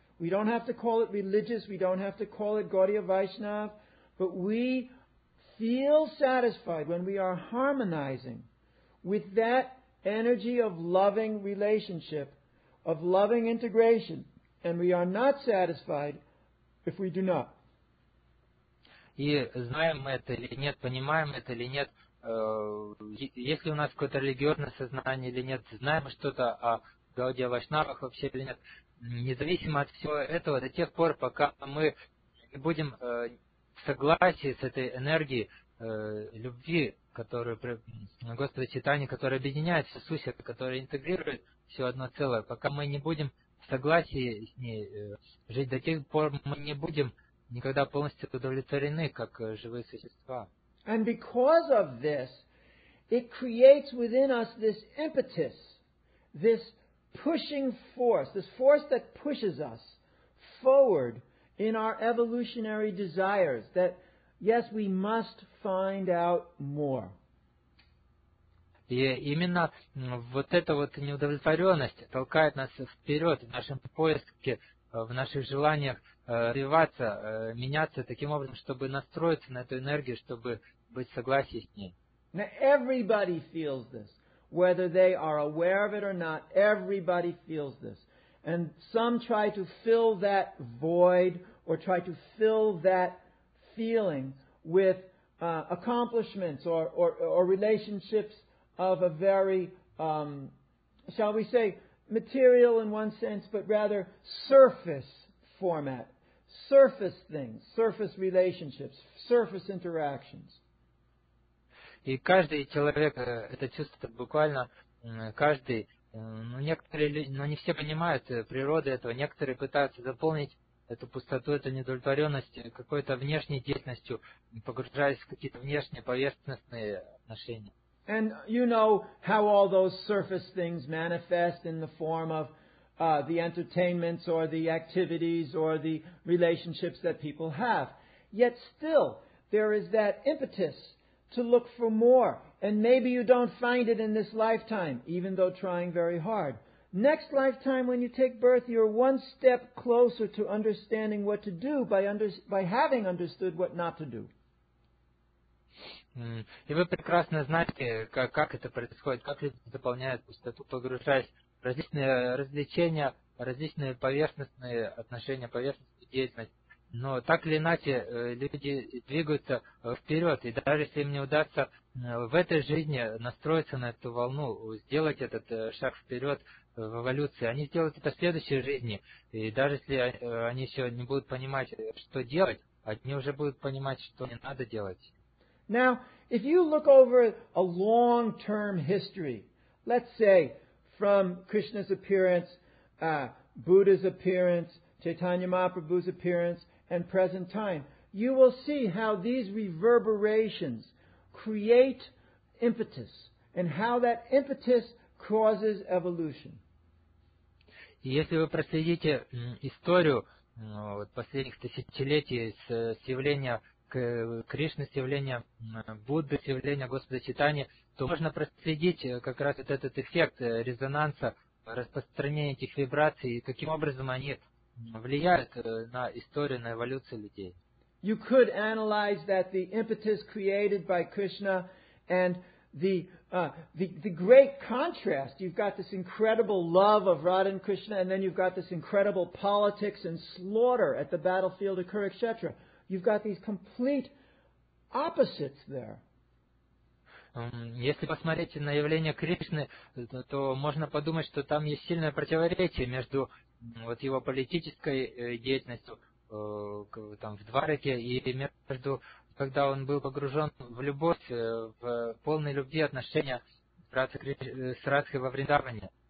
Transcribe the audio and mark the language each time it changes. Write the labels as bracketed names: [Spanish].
[English] We don't have to call it religious, we don't have to call it Gaudiya Vaishnav, but we feel satisfied when we are harmonizing with that energy of loving relationship, of loving integration, and we are not satisfied if we do not. [Russian] И знаем мы это или нет, понимаем это или нет, если у нас какое-то религиозное сознание или нет, знаем мы что-то о Гаудия Вайшнавах вообще или нет, независимо от всего этого, до тех пор, пока мы не будем согласии с этой энергией любви, которую Господь Читания, которая объединяет всю сущность, которая интегрирует все одно целое. Пока мы не будем в согласии с ней жить, до тех пор мы не будем никогда полностью удовлетворены, как живые существа. [English] And because of this, it creates within us this impetus, this pushing force, this force that pushes us forward in our evolutionary desires, that, yes, we must find out more. [Russian] И именно вот эта вот неудовлетворенность толкает нас вперед в нашем поиске, в наших желаниях развиваться, меняться таким образом, чтобы настроиться на эту энергию, чтобы быть в согласии с ней. [English] Now everybody feels this, whether they are aware of it or not, everybody feels this. And some try to fill that void or try to fill that feeling with accomplishments or relationships of a very, shall we say, material in one sense, but rather surface format, surface things, surface relationships, surface interactions. [Russian] И каждый человек это чувствует буквально, каждый, ну, некоторые люди, но не все понимают природы этого, некоторые пытаются заполнить эту пустоту, эту неудовлетворенность какой-то внешней деятельностью, погружаясь в какие-то внешние поверхностные отношения. [English] And you know how all those surface things manifest in the form of the entertainments or the activities or the relationships that people have. Yet still, there is that impetus to look for more. And maybe you don't find it in this lifetime, even though trying very hard. Next lifetime, when you take birth, you're one step closer to understanding what to do by having understood what not to do. [Russian] И вы прекрасно знаете, как это происходит, как люди заполняют пустоту, погружаясь в различные развлечения, различные поверхностные отношения, поверхностную деятельность. Но так или иначе, люди двигаются вперед, и даже если им не удастся в этой жизни настроиться на эту волну, сделать этот шаг вперед в эволюции, они сделают это в следующей жизни, и даже если они еще не будут понимать, что делать, они уже будут понимать, что не надо делать. [English] Now, if you look over a long-term history, let's say, from Krishna's appearance, Buddha's appearance, Chaitanya Mahaprabhu's appearance, and present time, you will see how these reverberations create impetus, and how that impetus causes evolution. [Russian] Если вы проследите историю последних тысячелетий с явления Кришны, с явления Будды, с явления Господа Читания, то можно проследить как раз вот этот эффект резонанса, распространение этих вибраций, и каким образом они влияют на историю, на эволюцию людей. [English] You could analyze that the impetus created by Krishna and the great contrast. You've got this incredible love of Radha and Krishna, and then you've got this incredible politics and slaughter at the battlefield of Kurukshetra. You've got these complete opposites there. [Russian] Если посмотреть на явление Кришны, то можно подумать, что там есть сильное противоречие между вот его политической деятельностью там, в Двараке и между, когда он был погружен в любовь, в полной любви отношения с Радхой во Вриндаване.